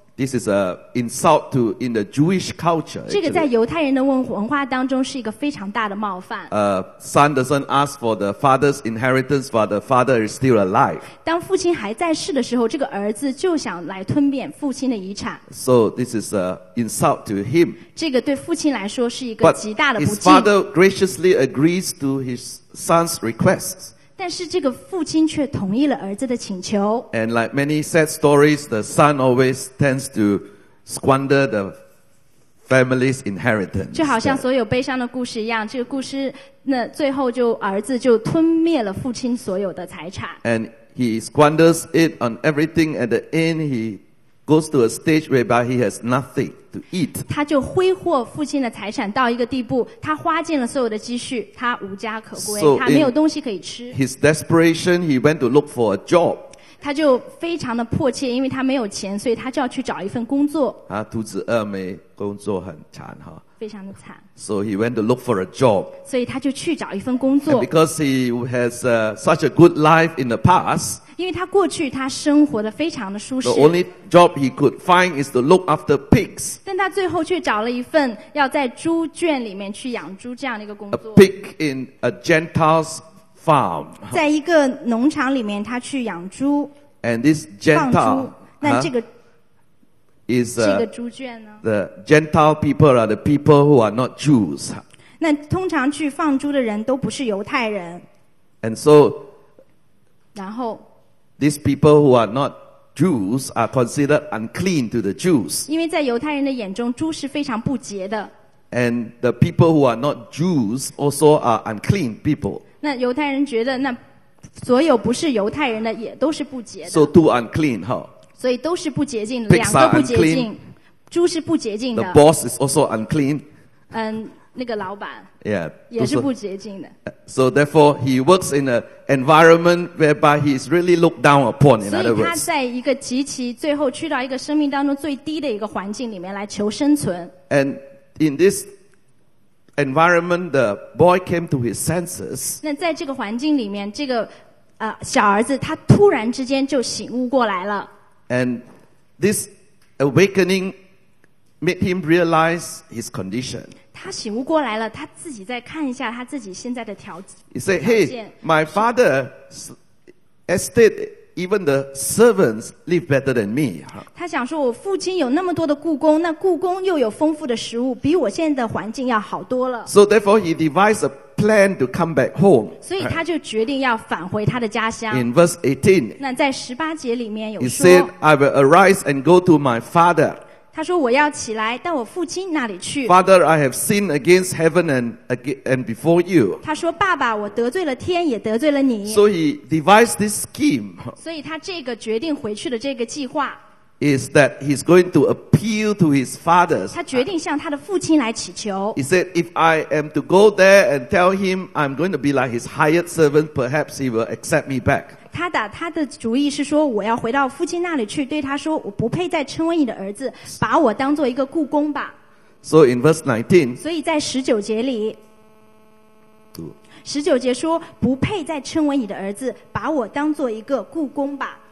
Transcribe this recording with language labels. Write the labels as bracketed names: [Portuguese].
[English] This is an insult to in the Jewish culture. [Chinese] 这个在犹太人的文化当中是一个非常大的冒犯。 [English] Son doesn't ask for the father's inheritance while the father is still alive. [Chinese] 当父亲还在世的时候，这个儿子就想来吞变父亲的遗产。 [English] So this is an insult to him. [Chinese] 这个对父亲来说是一个极大的不敬。 [English] But his father graciously agrees to his son's requests. [Chinese] 但是这个父亲却同意了儿子的请求。 [English] And like many sad stories, the son always tends to squander the family's inheritance. [Chinese] 就好像所有悲伤的故事一样，这个故事那最后就儿子就吞灭了父亲所有的财产。 [English] And he squanders it on everything. At the end, he goes to a stage whereby he has nothing to eat. [Chinese] 他就挥霍父亲的财产到一个地步，他花尽了所有的积蓄，他无家可归， [English] so、 [Chinese] 他没有东西可以吃。 [English] His desperation, he went to look for a job. [Chinese] 他就非常的迫切，因为他没有钱，所以他就要去找一份工作。他肚子饿没，工作很惨哈。非常的惨。 [English] So he went to look for a job. [Chinese] 所以他就去找一份工作。 [English] And、because he has、such a good life in the past. [Chinese] 因为他过去他生活的非常的舒适。 [English] The only job he could find is to look after pigs. [Chinese] 但他最后却找了一份要在猪圈里面去养猪这样的一个工作。 [English] A pig in a Gentile's farm. [Chinese] 在一个农场里面他去养猪。 [English] And this Gentile, [Chinese] 那这个、 [English] huh? is [Chinese] 这个猪圈呢 [English] ？The Gentile people are the people who are not Jews. [Chinese] 那通常去放猪的人都不是犹太人。 [English] And so, [Chinese] 然后。 [English] These people who are not Jews are considered unclean to the Jews. [Chinese] 因为在犹太人的眼中，猪是非常不洁的。 [English] And the people who are not Jews also are unclean people. [Chinese] 那犹太人觉得，那所有不是犹太人的也都是不洁的。 [English] So two unclean, huh? [Chinese] 所以都是不洁净的，两个不洁净。猪是不洁净的。 [English] The boss is also unclean. [Chinese] 那个老板 [English] yeah, [Chinese] 也是不洁净的。 [English] So therefore, he works in an environment whereby he is really looked down upon. In other words, [Chinese] 所以他在一个极其最后去到一个生命当中最低的一个环境里面来求生存。 [English] And in this environment, the boy came to his senses. [Chinese] 那在这个环境里面，这个小儿子他突然之间就醒悟过来了。 [English] And this awakening made him realize his condition. [Chinese] 他醒悟过来了，他自己再看一下他自己现在的条件。 [English] He said, "Hey, my father's estate, even the servants live better than me." [Chinese] 他想说，我父亲有那么多的雇工，那雇工又有丰富的食物，比我现在的环境要好多了。 [English] So therefore, he devised a plan to come back home. [Chinese] 所以他就决定要返回他的家乡。 [English] In verse 18, [Chinese] 那在十八节里面有说 [English] ，He said, "I will arise and go to my father." [Chinese] 他说我要起来到我父亲那里去。 [English] Father, I have sinned against heaven and before you. [Chinese] 他说爸爸我得罪了天也得罪了你。 [English] So he devised this scheme. [Chinese] 所以他这个决定回去的这个计划。 [English] Is that he's going to appeal to his father. [Chinese] 他决定向他的父亲来祈求。 [English] He said, if I am to go there and tell him I'm going to be like his hired servant, perhaps he will accept me back. [Chinese] 他打他的主意是说，我要回到父亲那里去，对他说，我不配再称为你的儿子，把我当做一个雇工吧。 [English] So in verse 19, [Chinese] 所以在十九节里，十九节说，不配再称为你的儿子，把我当做一个雇工吧。